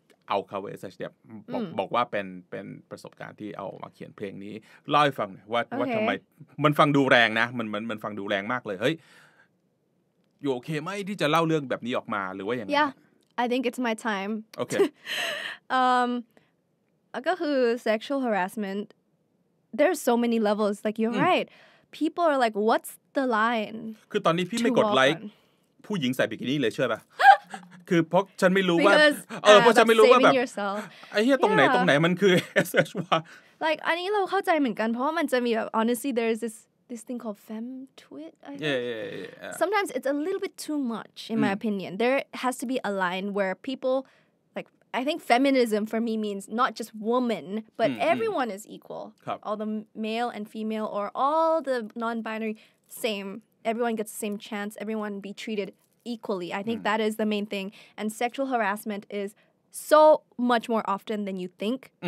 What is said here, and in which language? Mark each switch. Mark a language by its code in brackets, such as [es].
[th] เอาคาเวสเนี่ยบอกว่าเป็นประสบการณ์ที่เอามาเขียนเพลงนี้เล่าให้ฟังหน่อยว่า okay. ว่าทำไมมันฟังดูแรงนะมันฟังดูแรงมากเลยเฮ้ยอยู่โอเคไหมที่จะเล่าเรื่องแบบนี้ออกมาหรือว่าอย่างไร [en] Yeah I think it's my time Okay ก็คือ sexual harassment there's so many levels like you're right people are like what's the line [th] คือตอนนี้พี่ไม่กดไลค์ผู้หญิงใส่บิกินี่เลยเชื่อป่ะคือเพราะฉันไม่รู้ว่าเพราะฉันไม่รู้ว่าแบบไอ้เหี้ยตรงไหนมันคือ SH ว่ะ [en] like [th] อันนี้เราเข้าใจเหมือนกันเพราะมันจะมีแบบ [en] honestly there's this thing called fem twit I think yeah. sometimes it's a little bit too much in my opinion there has to be a line where people like I think feminism for me means not just woman but everyone is equal all the male and female or all the non-binary same everyone gets the same chance everyone be treatedequally I think that is the main thing and sexual harassment is so much more often than you think